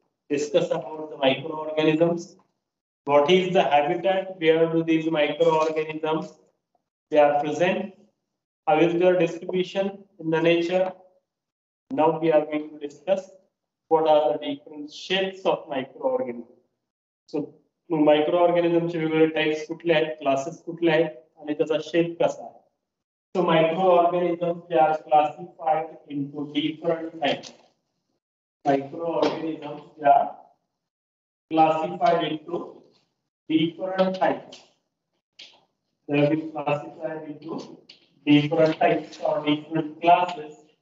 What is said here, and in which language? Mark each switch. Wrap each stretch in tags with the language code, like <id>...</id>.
<en>discuss about the microorganisms. What is the habitat where do these microorganisms they are present? How is their distribution in the nature? Now we are going to discuss what are the different shapes of microorganisms.</en> <mr>So microorganisms वेगवेगळे types कुठले आहेत, classes कुठले आहेत आणि त्याचा shape कसा आहे.</mr> <en>So microorganisms they are classified into different types. Microorganisms they are classified into different types. They are classified into different types or different classes.</en>